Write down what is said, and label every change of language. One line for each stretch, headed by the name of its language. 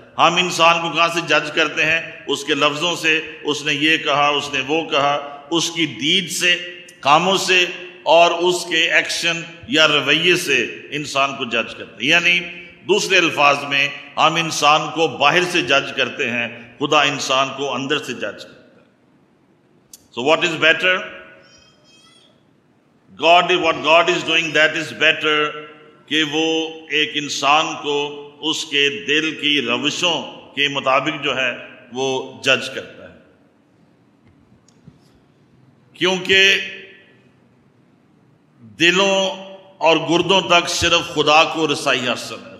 Urdu: ہم انسان کو کہاں سے جج کرتے ہیں؟ اس کے لفظوں سے، اس نے یہ کہا، اس نے وہ کہا، اس کی ڈیڈ سے، کاموں سے، اور اس کے ایکشن یا رویے سے انسان کو جج کرتے ہیں. یعنی دوسرے الفاظ میں ہم انسان کو باہر سے جج کرتے ہیں، خدا انسان کو اندر سے جج کرتے ہیں.
English: So what is better? God, what God is doing, that is better.
Urdu: کہ وہ ایک انسان کو اس کے دل کی روشوں، کے مطابق جو ہے وہ جج کرتا ہے. کیونکہ دلوں اور گردوں تک صرف خدا کو رسائی حاصل ہے.